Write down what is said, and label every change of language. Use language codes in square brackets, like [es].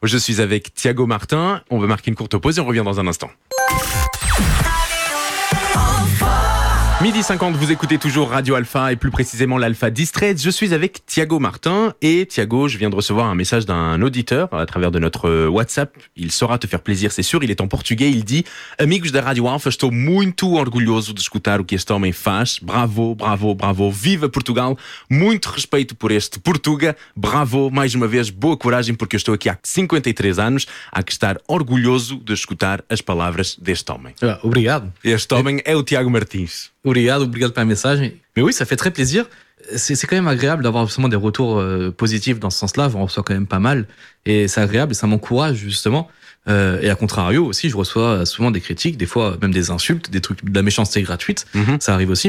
[fr] Je suis avec Thiago Martin, on va marquer une courte pause et on revient dans un instant. 12h50, vous écoutez toujours Radio Alpha et plus précisément l'Alpha Distrait. Je suis avec Thiago Martin et Thiago, je viens de recevoir un message d'un auditeur à travers de notre WhatsApp. Il saura te faire plaisir, c'est sûr. Il est en portugais. Il dit [pt] « Amigos da Radio Alpha, estou muito orgulhoso de escutar o que este homem faz. Bravo, bravo, bravo. Viva Portugal. Muito respeito por este Portuga. Bravo, mais uma vez, boa coragem porque eu estou aqui há 53 anos a estar orgulhoso de escutar as palavras deste homem. Ah, obrigado. Este homem é o Thiago Martins. Obrigado [fr] pour le message. Mais oui, ça fait très plaisir. C'est quand même agréable d'avoir justement des retours positifs dans ce sens-là. On reçoit quand même pas mal. Et c'est agréable et ça m'encourage justement. Et à contrario aussi, je reçois souvent des critiques, des fois même des insultes, des trucs de la méchanceté gratuite. Ça arrive aussi.